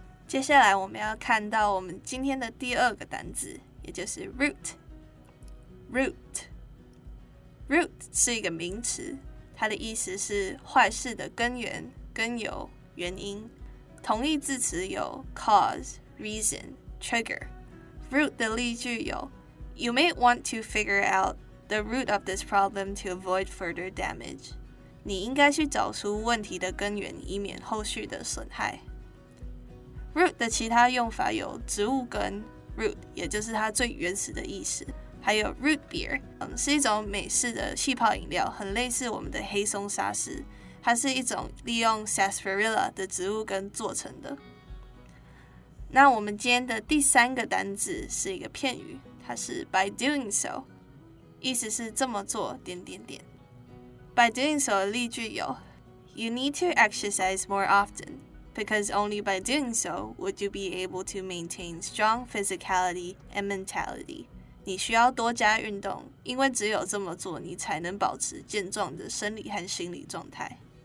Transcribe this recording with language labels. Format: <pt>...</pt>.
<zh>接下来我们要看到我们今天的第二个单字，也就是 root。</zh> <en>root。</en> <zh>root 是一个名词，它的意思是坏事的根源、根由、原因。同义字词有</zh> <en>cause, reason, trigger。 root</en> <zh>的例句有</zh> <en>：You may want to figure out the root of this problem to avoid further damage。</en> <zh>你应该去找出问题的根源，以免后续的损害。 root 的其他用法有植物根 root， 也就是它最原始的意思。还有 root beer， 是一种美式的气泡饮料，很类似我们的黑松沙士。它是一种利用 sarsaparilla 的植物根做成的。那我们今天的第三个单字是一个片语，它是 by doing so， 意思是这么做点点点。</zh> <en>by doing so</en> <zh>的例句有</zh> <en>：You need to exercise more often because only by doing so would you be able to maintain strong physicality and mentality。</en> <zh>你需要多加运动，因为只有这么做，你才能保持健壮的生理和心理状态。</zh>